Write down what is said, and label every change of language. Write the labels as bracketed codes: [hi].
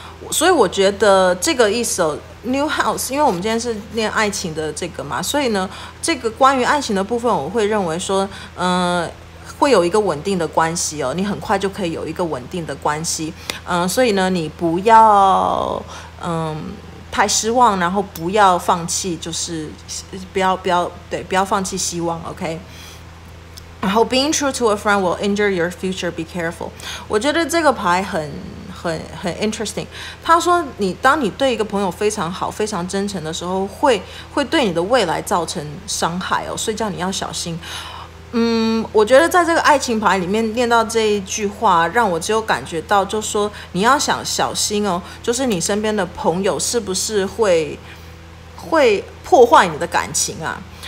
[zh] 所以我觉得这个意思、 [en] New house， [zh] 因为我们今天是念爱情的这个嘛，所以呢这个关于爱情的部分我会认为说会有一个稳定的关系哦，你很快就可以有一个稳定的关系。所以呢你不要太失望，然后不要放弃，就是不要放弃希望 OK。然后 [en] being true to a friend will injure your future, be careful。 [zh] 我觉得这个牌很 interesting， 他说你当你对一个朋友非常好非常真诚的时候 会对你的未来造成伤害哦，所以叫你要小心。我觉得在这个爱情牌里面念到这一句话，让我只有感觉到，就说你要想小心哦，就是你身边的朋友是不是会破坏你的感情啊？